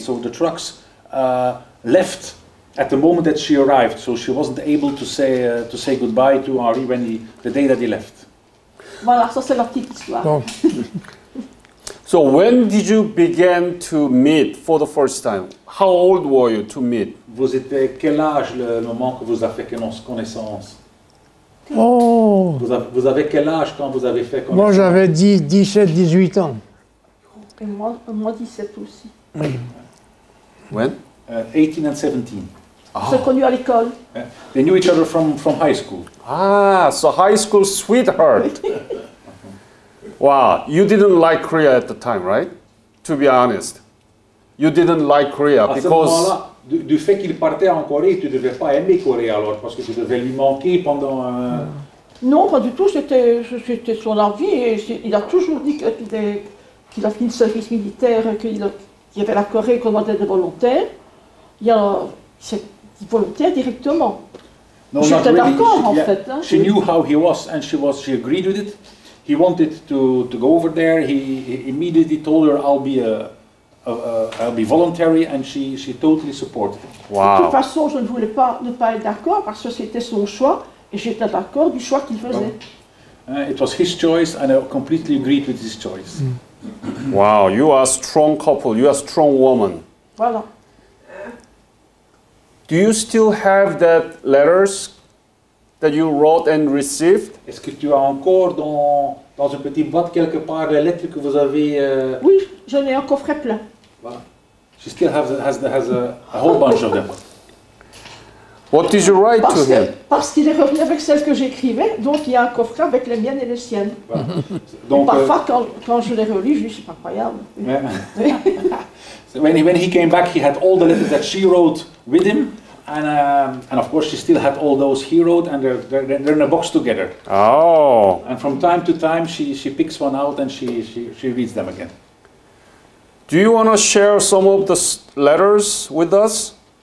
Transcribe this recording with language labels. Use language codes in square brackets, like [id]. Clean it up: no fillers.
[en] So the trucks left at the moment that she arrived, so she wasn't able to say goodbye to Henri when he, the day that he left. [fr] Voilà, ça c'est leur petite histoire. Bon. [en] So when did you begin to meet for the first time? How old were you to meet? [fr] Vous étiez quel âge le moment que vous avez fait connaissance? Oh! Vous avez quel âge quand vous avez fait connaissance? Moi j'avais 10, 17, 18 ans. Et moi 17 aussi. Oui. [en] When? 18 and 17. [fr] Ils se sont connus à l'école. [en] They knew each other from high school. Ah, so high school sweetheart. Wow, you didn't like Korea at the time, right? To be honest. You didn't like Korea because... [fr] À ce moment-là, du fait qu'il partait en Corée, tu ne devais pas aimer Corée alors, parce que tu devais lui manquer pendant... Non, pas du tout, c'était son envie. Et il a toujours dit qu'il a fini le service militaire, qu'il y avait la Corée qui demandait des volontaires. Il volontaire directement. [en] No, [fr] j'étais [en] not really. [fr] D'accord, [en] she, [fr] en [en] yeah, [fr] fait. Hein, [en] she knew how he was and she agreed with it. He wanted to go over there. He immediately told her, "I'll be I'll be voluntary," and she totally supported it. Wow. [fr] De toute façon, je ne voulais pas ne pas être d'accord parce que c'était son choix et j'étais d'accord du choix qu'il faisait. [en] It was his choice, and I completely agreed with his choice. Mm. Wow, you are a strong couple. You are a strong woman. [fr] Voilà. [en] Do you still have that letters? That you wrote and received. [fr] Est-ce que tu as encore dans une petite boîte quelque part les lettres que vous avez? Oui, j'en ai un coffret plein. [en] Voilà. She still has a whole bunch of them. What did you write to him? [fr] Parce qu'il est revenu avec celles que j'écrivais, donc il y a un coffret avec les miennes et les siennes. Voilà. Donc, et parfois quand je les relis, je dis c'est incroyable. [en] So when he came back, he had all the letters that she wrote with him. And of course, she still had all those he wrote, and they're in a box together. Oh! And from time to time, she picks one out and she reads them again. Do you want to share some of the letters with us?